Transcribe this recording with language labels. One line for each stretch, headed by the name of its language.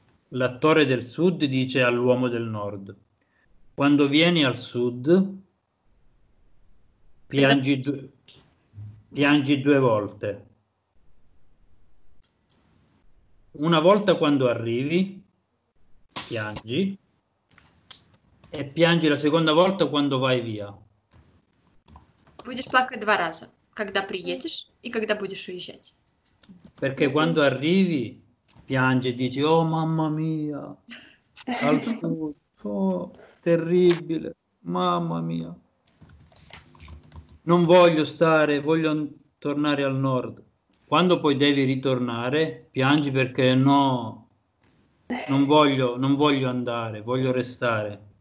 Italian: L'attore del Sud dice all'uomo del Nord: quando vieni al Sud piangi due volte. Una volta quando arrivi piangi, e piangi la seconda volta quando vai via.
Russian: Будешь плакать два раза, когда приедешь и когда будешь уезжать.
Italian: Perché quando arrivi piangi e dici: oh mamma mia, al Sud, oh, terribile, mamma mia, non voglio stare, voglio tornare al Nord. Quando poi devi ritornare piangi perché no, non voglio andare, voglio restare.